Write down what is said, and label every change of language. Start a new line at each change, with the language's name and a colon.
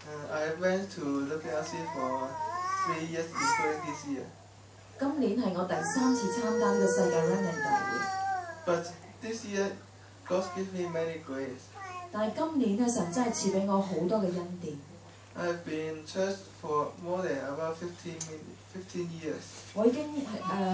English: I went to WRC for 3 years before this year.
Cantonese: 今年係我第三次參加呢個世界Running大會。
English: But this year, God gave me many grace.
Cantonese: 但係今年咧，神真係賜俾我好多嘅恩典。
English: I've been church for more than about 15 years.